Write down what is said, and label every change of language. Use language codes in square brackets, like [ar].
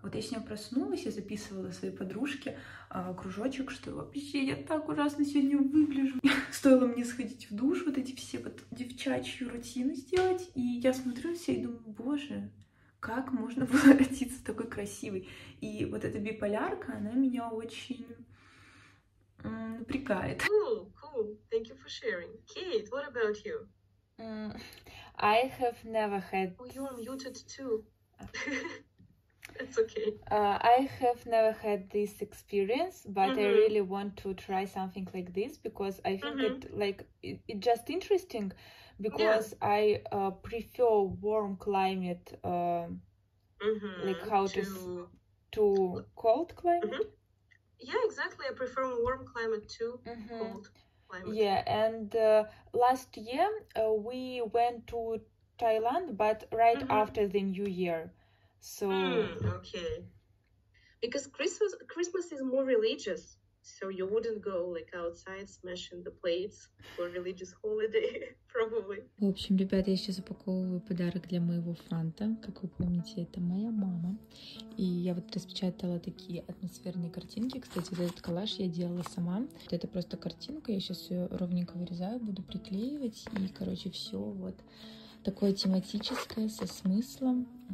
[ru] Вот я с ним проснулась, я записывала своей подружке кружочек, что вообще я так ужасно сегодня выгляжу. Стоило мне сходить в душ, вот эти все вот девчачью рутины сделать, и я смотрю на себя и думаю, боже, как можно было родиться такой красивой. И вот эта биполярка, она меня очень... напрягает. [en] Cool, cool. Thank you for sharing. Kate, what about you? I have never had. Oh, you're muted too. That's okay. I have never had this experience, but mm-hmm. I really want to try something like this because I think mm-hmm. it just interesting because yeah. I prefer warm climate mm-hmm. like how to cold climate. Mm-hmm. Yeah, exactly. I prefer warm climate to mm-hmm. cold climate. Yeah, and last year we went to Thailand, but right mm-hmm. after the New Year. So okay, because Christmas is more religious, so you wouldn't go like outside smashing the plates for religious holiday probably. [ru] В общем, ребята, я сейчас упаковываю подарок для моего Фанта. Как вы помните, это моя мама, и я вот распечатала такие атмосферные картинки. Кстати, вот этот коллаж я делала сама. Вот это просто картинка, я сейчас ее ровненько вырезаю, буду приклеивать, и короче, все вот такое тематическое, со смыслом.